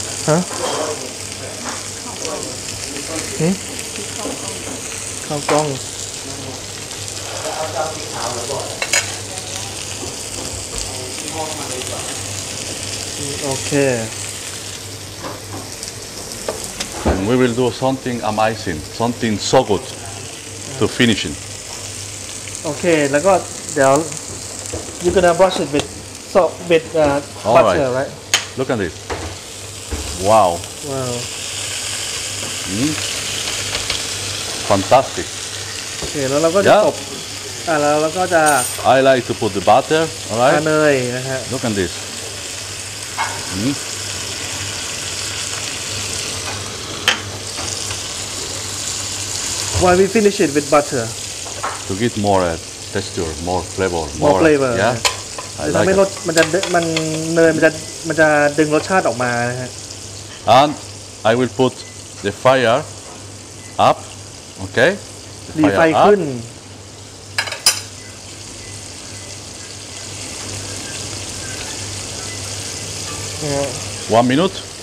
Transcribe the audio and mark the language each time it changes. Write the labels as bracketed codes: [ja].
[th] ฮะเฮ้ยข้าวกล้องจะเอาข้าวสีขาวแล้วก่อนโอเค [en] And we will do something amazing, something so good to finish it. Okay, [th] แล้วก็เดี๋ยว [en] you're gonna brush it with soap with butter, right. right? Look at this. Wow. Wow. Fantastic. [th] Okay, แล้วเราก็จะตบแล้วเราก็จะ [en] I like to put the butter, alright? [th] เลยนะฮะ [en] Look at this. Why we finish it with butter? To get more texture, more flavor. More flavor. Yeah. [th] จะทำให้รสมันเนยมันจะดึงรสชาติออกมานะฮะ [en] and I will put the fire up okay [th] ดีไฟขึ้น [en] one minute